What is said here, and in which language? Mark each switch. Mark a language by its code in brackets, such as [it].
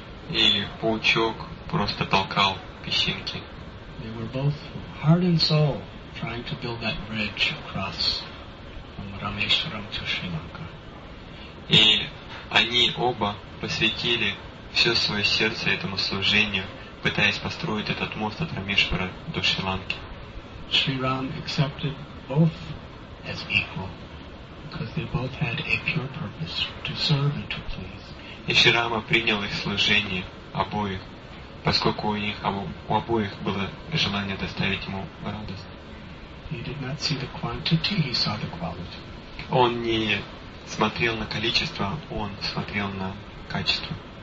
[ru] И паучок просто толкал песчинки. [en] They were both heart and soul trying to build that bridge across from Rameshwaram to Sri Lanka. [ru] И они оба посвятили все свое сердце этому служению, пытаясь построить этот мост от Рамешвара до Шри-Ланки. [en] Шри Рам accepted both as equal, because they both had a pure purpose to serve and to please. [ru] И Шри Рама принял их служение обоих, поскольку у обоих было желание доставить ему радость. [en] He did not see the quantity, he saw the quality. [ru] Он не смотрел на количество, он смотрел на качество.